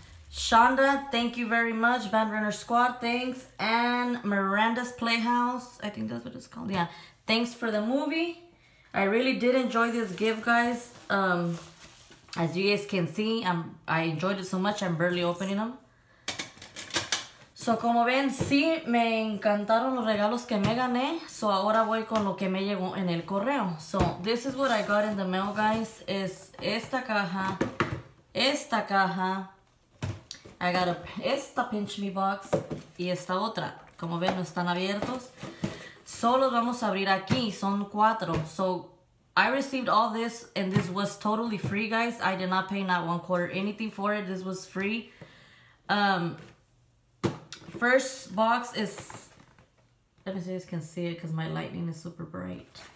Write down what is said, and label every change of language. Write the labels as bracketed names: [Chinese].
[English] Shonda, thank you very much. Band Runner Squad, thanks. And Miranda's Playhouse, I think that's what it's called. Yeah, thanks for the movie. I really did enjoy this gift, guys. As you guys can see, I enjoyed it so much, I'm barely opening them. [Spanish] So, como ven, sí, me encantaron los regalos que me gané. So, ahora voy con lo que me llegó en el correo. [English] So, this is what I got in the mail, guys. [Spanish] Es esta caja. Esta caja. [English] I got [Spanish] esta Pinch Me box y esta otra. Como ven, no están abiertos. Solo vamos a abrir aquí. Son cuatro. [English] So, I received all this and this was totally free, guys. I did not pay not one quarter anything for it. This was free. First box is... Let me see if you guys can see it because my lightning is super bright.